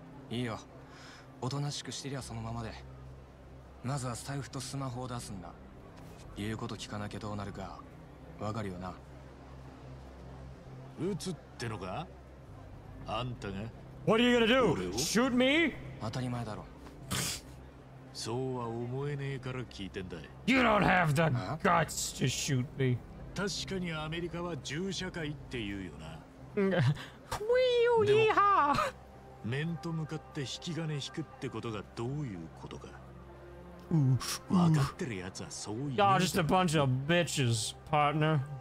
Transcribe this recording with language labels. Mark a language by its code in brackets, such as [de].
[ja] いいよ、おとなしくしてりゃそのままで。まずは財布とスマホを出すんだ。言うこと聞かなきゃどうなるかわかるよな。撃つってのか、あんたが。 [en] What are you gonna do? Shoot me? [ja] 当たり前だろ。そうは思えねえから聞いてんだ。 [en] You don't have the guts to shoot me. [ja] 確かにアメリカは銃社会って言うよな。ウィーユーイーハー。面と向かって引き金引くってことがどういうことか。わかってるやつはそう言う。 [en] You're just a bunch of bitches, partner.